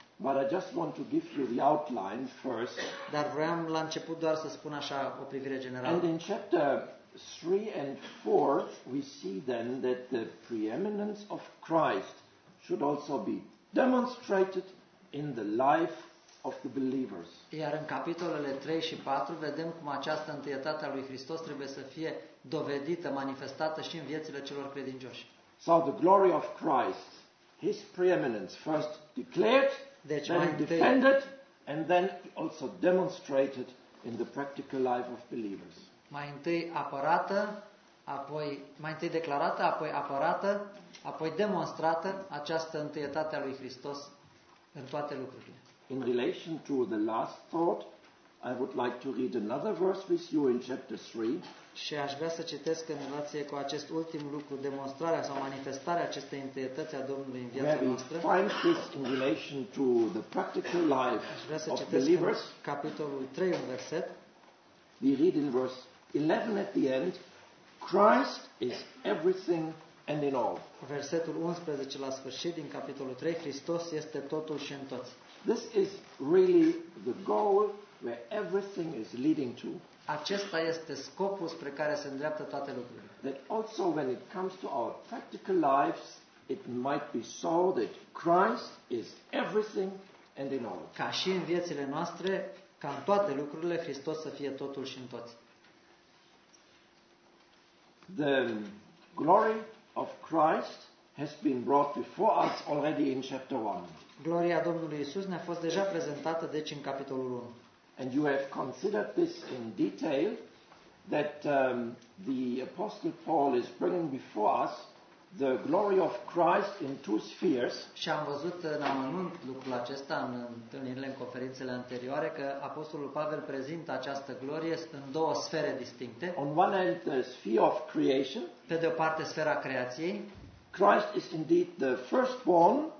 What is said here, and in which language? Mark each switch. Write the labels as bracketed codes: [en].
[en] But I just want to give you the outline first. [ro] Dar vreau la început doar să spun așa o privire generală. [en] And in chapter 3 and 4 we see then that the preeminence of Christ should also be demonstrated in the life of the believers. [ro] Iar în capitolele 3 și 4 vedem cum această întâietate a lui Hristos trebuie să fie dovedită, manifestată și în viețile celor credincioși. [en] So the glory of Christ, his preeminence first declared, [ro] deci [en] then defended, and then also demonstrated in the practical life of believers. [ro] Mai întâi apărată, apoi mai întâi declarată, apoi apărată, apoi demonstrată această întâietate a lui Hristos în toate lucrurile. [en] In relation to the last thought, I would like to read another verse with you in chapter 3. [ro] Și aș vrea să citesc în relație cu acest ultim lucru, demonstrarea sau manifestarea acestei întâietăți a Domnului în viața noastră. [en] Find this in relation to the practical life of believers. [ro] Aș vrea să citesc în capitolul 3, un verset. [en] We read in verse 11 at the end, Christ is everything and in all. [ro] Versetul 11 la sfârșit din capitolul 3, Hristos este totul și în toți. [en] This is really the goal where everything is leading to. [ro] Acesta este scopul spre care se îndreaptă toate lucrurile. [en] That also when it comes to our practical lives, it might be so that Christ is everything and in all. [ro] Ca și în viețile noastre, ca în toate lucrurile, Hristos să fie totul și în toți. [en] The glory of Christ has been brought before us already in chapter 1. [ro] Gloria Domnului Isus ne-a fost deja prezentată, deci, în capitolul 1. [en] And you have considered this in detail, that the Apostle Paul is bringing before us the glory of Christ in two spheres. [ro] Și am văzut în amănunt lucrul acesta în întâlnirile, în conferințele anterioare, că Apostolul Pavel prezintă această glorie în două sfere distincte. [en] On one hand, the sphere of creation. [ro] Pe de o parte, sfera creației. [en] Christ is indeed the firstborn.